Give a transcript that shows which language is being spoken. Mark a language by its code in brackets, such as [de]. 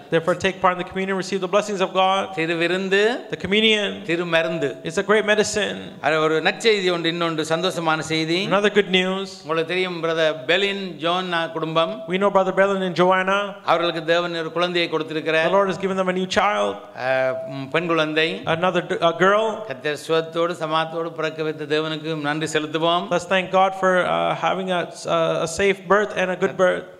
[en] Therefore take part in the communion, receive the blessings of God. [ta] திருவிருந்து, [en] the communion, [ta] திருமருந்து, [en] it's a great medicine. [ta] அது ஒரு நற்செய்தி, ஒன்று இன்னொன்று சந்தோஷமான செய்தி. [en] Another good news. [ta] உங்களுக்கு தெரியும் பிரதர் பெலின் ஜோன் குடும்பம். [en] We know brother Belin and Joanna. [ta] அவர்களுக்கு தேவன் ஒரு குழந்தையை கொடுத்திருக்கிறார். [en] The Lord has given them a new child. [ta] பெண் குழந்தை. [en] Another a girl. [ta] கர்த்தர் சுகத்தோடு சமாதானத்தோடு பிறக்க வைத்த தேவனுக்கு நன்றி செலுத்துவோம். [en] Let's thank God for having a safe birth and a good birth.